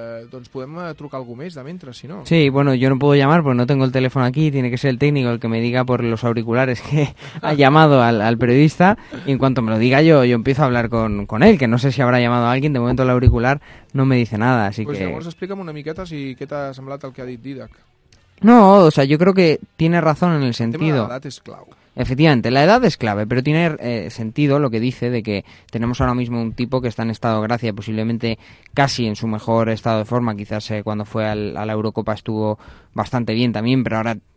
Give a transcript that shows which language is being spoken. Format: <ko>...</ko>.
<ca>Doncs podem trucar algú més de mentre, si no.</ca> <es>Sí, bueno, yo no puedo llamar porque no tengo el teléfono aquí, tiene que ser el técnico el que me diga por los auriculares que ha llamado al periodista, y en cuanto me lo diga yo empiezo a hablar con él, que no sé si habrá llamado a alguien, de momento el auricular no me dice nada, así pues que...</es> <ca>Pues llavors explica'm una miqueta si què t'ha semblat el que ha dit Didac.</ca> <es>No, o sea, yo creo que tiene razón en el sentido...</es> <ca>El tema de l'edat és clau.</ca> <es>Efectivamente, la edad es clave, pero tiene sentido lo que dice de que tenemos ahora mismo un tipo que está en estado de gracia, posiblemente casi en su mejor estado de forma, quizás cuando fue a la Eurocopa estuvo bastante bien también, pero ahora</es>